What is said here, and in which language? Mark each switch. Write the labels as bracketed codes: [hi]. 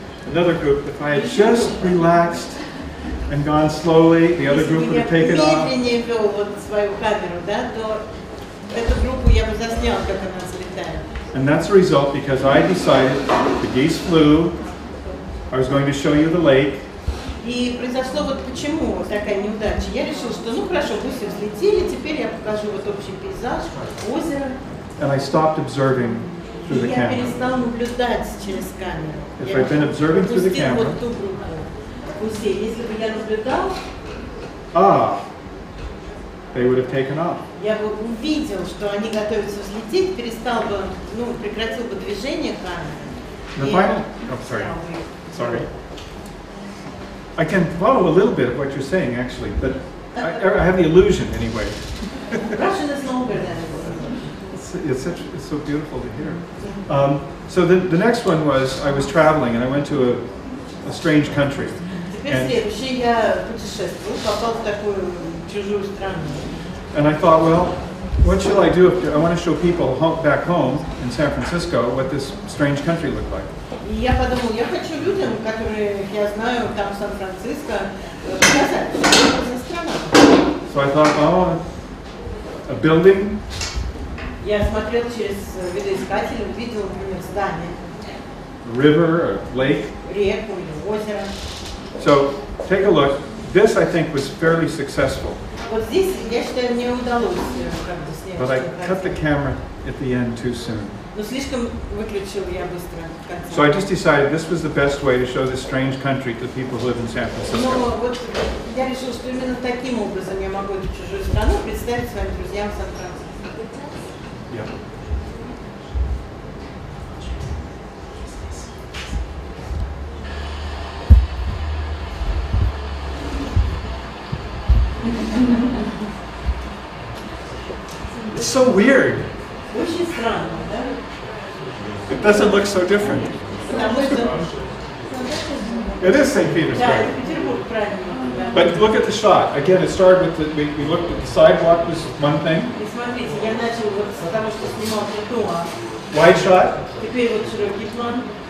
[en] Another group, if I had just relaxed and gone slowly, the other group would have taken off. [ru] Если бы я медленнее вел вот свою камеру, да, то эту группу я бы заснял, как она. [en] And that's the result because I decided the geese flew. I was going to show you the lake. [ru] И произошло вот почему такая неудача. Я решил, что ну хорошо, гуси взлетели, теперь я покажу вот общий пейзаж, озеро. [en] And I stopped observing through the camera. [ru] И я перестал наблюдать через камеру. [en] If I'd been observing through the camera. [ru] Вот ту группу гусей. Если бы я наблюдал. [en] Ah. They would have taken off. [ru] Я бы увидел, что они готовятся взлететь, перестал бы, ну, прекратил бы движение камеры. [en] Sorry. I can follow a little bit of what you're saying, actually, but I have the illusion anyway. it's so beautiful to hear. So the next one was I was traveling and I went to a strange country. [ru] Теперь следующий я путешествую, попал в такую чужую страну. [en] And I thought, well, what shall I do? I want to show people back home in San Francisco what this strange country looked like. [ru] Я подумал, я хочу людям, которые я знаю там в Сан-Франциско, показать, что это за страна. [en] So I thought, oh, a building. [ru] Я смотрел через видоискатель, увидел, например, здание. [en] River, a lake. [ru] Реку или озеро. [en] So take a look. This, I think, was fairly successful. [ru] Вот здесь, я считаю, мне удалось, [en] but I cut the camera at the end too soon. [ru] Но слишком выключил я быстро в конце. [en] So I just decided this was the best way to show this strange country to people who live in San Francisco. [ru] Но вот я решил, что именно таким образом я могу эту чужую страну представить своим друзьям в Сан-Франциско. [en] Yeah. It's so weird. [ru] Очень странно, да? [en] It doesn't look so different. It is St. Petersburg. [ru] Да, это Петербург, правильно. [en] But look at the shot. Again, it started with we looked at the sidewalk was one thing. [ru] И смотрите, я начал вот с того, что снимал для дома. [en] Wide shot. [ru] Теперь вот широкий план.